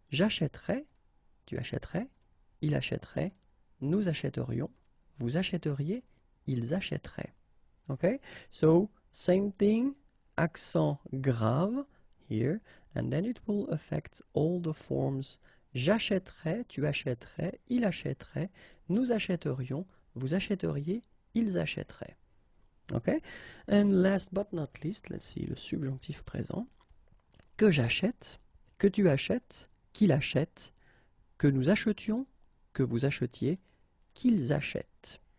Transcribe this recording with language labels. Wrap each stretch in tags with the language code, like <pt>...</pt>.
<fr>J'achèterai, tu achèterais, il achèterait, nous achèterions, vous achèteriez, ils achèteraient.</fr> <en>Okay? So, same thing, accent grave here, and then it will affect all the forms.</en> <fr>J'achèterai, tu achèterais, il achèterait, nous achèterions, vous achèteriez, ils achèteraient. Okay?</fr> <en>And last but not least, let's see le subjonctif présent.</en> <fr>Que j'achète, que tu achètes, qu'il achète, que nous achetions, que vous achetiez, qu'ils achètent.</fr>